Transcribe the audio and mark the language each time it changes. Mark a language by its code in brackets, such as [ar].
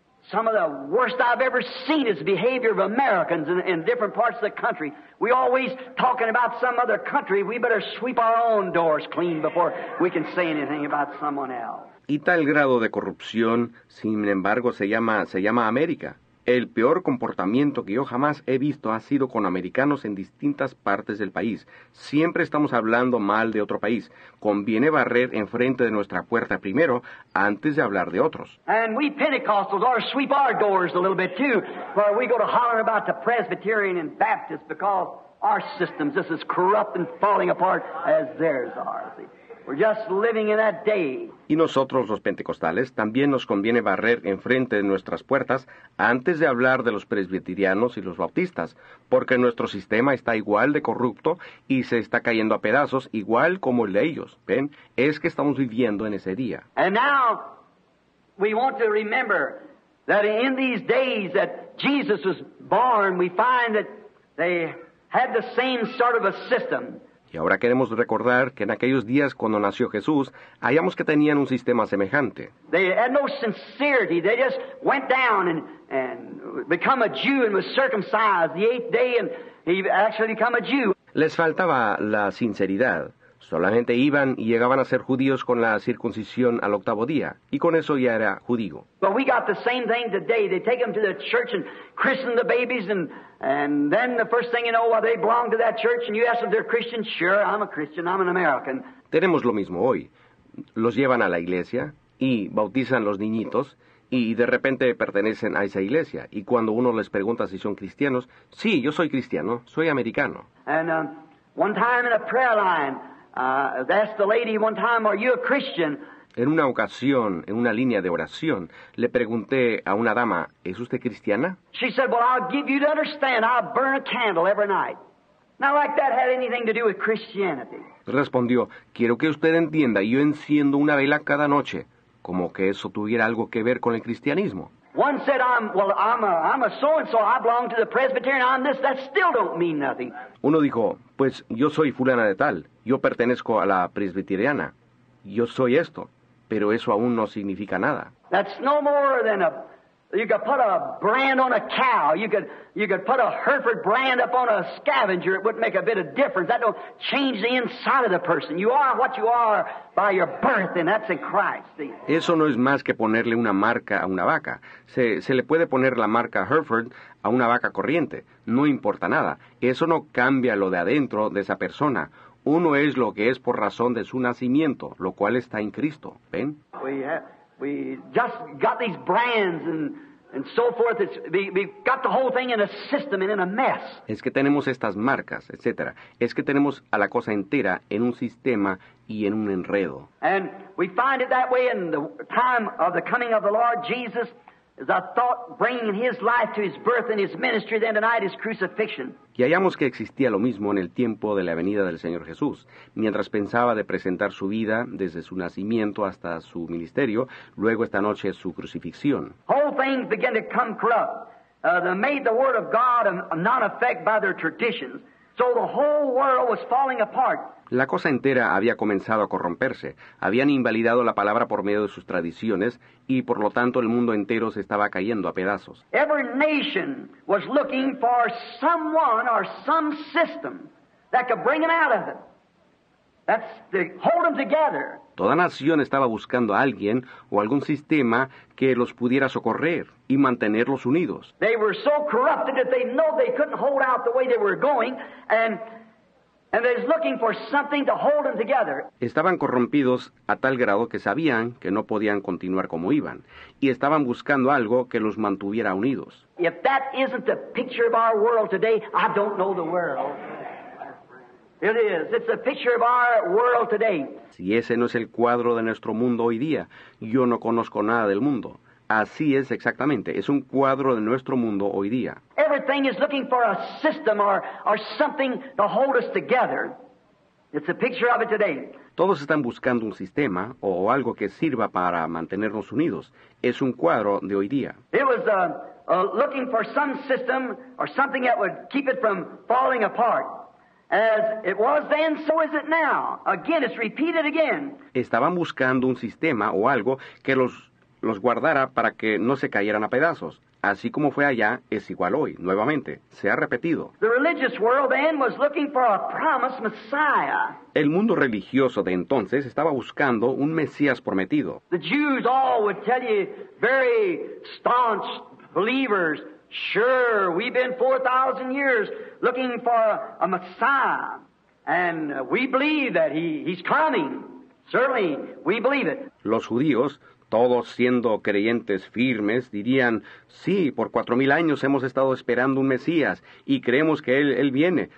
[en] Some of the worst I've ever seen is the behavior of Americans in different parts of the country. We always talking about some other country. We better sweep our own doors clean before we can say anything about someone else. [es] Y tal grado de corrupción, sin embargo, se llama América. El peor comportamiento que yo jamás he visto ha sido con americanos en distintas partes del país. Siempre estamos hablando mal de otro país. Conviene barrer enfrente de nuestra puerta primero, antes de hablar de otros. [en] And we Pentecostals ought to sweep our doors a little bit too, where we go to hollering about the Presbyterian and Baptist because our system's just as corrupt and falling apart as theirs are. See? We're just living in that day. [es] Y nosotros, los pentecostales, también nos conviene barrer enfrente de nuestras puertas antes de hablar de los presbiterianos y los bautistas, porque nuestro sistema está igual de corrupto y se está cayendo a pedazos, igual como el de ellos. ¿Ven? Es que estamos viviendo en ese día. [en] And now, we want to remember that in these days that Jesus was born, we find that they had the same sort of a system. [es] Y ahora queremos recordar que en aquellos días cuando nació Jesús, hallamos que tenían un sistema semejante. [en] They had no sincerity. They just went down and become a Jew and was circumcised the eighth day and he actually become a Jew. [es] Les faltaba la sinceridad. Solamente iban y llegaban a ser judíos con la circuncisión al octavo día. Y con eso ya era judío. [en] But we got the same thing today. They take them to the church and christen the babies and then the first thing you know, well, they belong to that church and you ask them if they're Christian. Sure, I'm a Christian. I'm an American. [es] Tenemos lo mismo hoy. Los llevan a la iglesia y bautizan los niñitos y de repente pertenecen a esa iglesia. Y cuando uno les pregunta si son cristianos, sí, yo soy cristiano. Soy americano. [en] And one time in a prayer line, asked the lady one time, are you a Christian? [es] En una ocasión, en una línea de oración, le pregunté a una dama, ¿es usted cristiana? [en] She said, well, I'll give you to understand, I'll burn a candle every night. Not like that had anything to do with Christianity. [es] Respondió, quiero que usted entienda, yo enciendo una vela cada noche, como que eso tuviera algo que ver con el cristianismo. [en] One said, I'm a so-and-so, I belong to the Presbyterian, I'm this, that still don't mean nothing. [es] Uno dijo, pues yo soy fulana de tal, yo pertenezco a la presbiteriana, yo soy esto, pero eso aún no significa nada. [en] That's no more than you could put a brand on a cow, you could put a Hereford brand up on a scavenger, it wouldn't make a bit of difference, that don't change the inside of the person, you are what you are by your birth, and that's in Christ. [es] Eso no es más que ponerle una marca a una vaca, se le puede poner la marca Hereford a una vaca corriente, no importa nada, eso no cambia lo de adentro de esa persona. Uno es lo que es por razón de su nacimiento, lo cual está en Cristo. ¿Ven? [en] We just got these brands and so forth. We got the whole thing in a system and in a mess. [es] Es que tenemos estas marcas, etcétera. Es que tenemos a la cosa entera en un sistema y en un enredo. [en] And we find it that way in the time of the coming of the Lord Jesus. The thought bringing his life to his birth and his ministry then tonight is crucifixion. [es] Y hallamos que existía lo mismo en el tiempo de la venida del Señor Jesús. Mientras pensaba de presentar su vida desde su nacimiento hasta su ministerio, luego esta noche su crucifixión. [en] Whole things began to come corrupt. They made the word of God a non-effect by their traditions. So the whole world was falling apart. [es] La cosa entera había comenzado a corromperse. Habían invalidado la palabra por medio de sus tradiciones y, por lo tanto, el mundo entero se estaba cayendo a pedazos. [en] Every nation was looking for someone or some system that could bring them out of it. That's to hold them together. [es] Toda nación estaba buscando a alguien o algún sistema que los pudiera socorrer y mantenerlos unidos. [en] They were so corrupted that they know they couldn't hold out the way they were going, and they're looking for something to hold them together. [es] Estaban corrompidos a tal grado que sabían que no podían continuar como iban, y estaban buscando algo que los mantuviera unidos. [en] If that isn't the picture of our world today, I don't know the world. It is. It's the picture of our world today. [es] Si ese no es el cuadro de nuestro mundo hoy día, yo no conozco nada del mundo. Así es exactamente. Es un cuadro de nuestro mundo hoy día. [en] Everything is looking for a system or something to hold us together. It's a picture of it today. [es] Todos están buscando un sistema o algo que sirva para mantenernos unidos. Es un cuadro de hoy día. [en] It was looking for some system or something that would keep it from falling apart. As it was then, so is it now. Again, it's repeated again. [es] Estaban buscando un sistema o algo que los guardara para que no se cayeran a pedazos. Así como fue allá, es igual hoy. Nuevamente, se ha repetido. [en] The religious world then was looking for a promised Messiah. [es] El mundo religioso de entonces estaba buscando un Mesías prometido. [en] The Jews all would tell you, very staunch believers, sure, we've been 4,000 years looking for a Messiah, and we believe that he's coming. Certainly, we believe it. [es] Los judíos, todos siendo creyentes firmes, dirían, sí, por 4,000 años hemos estado esperando un Mesías, y creemos que él viene.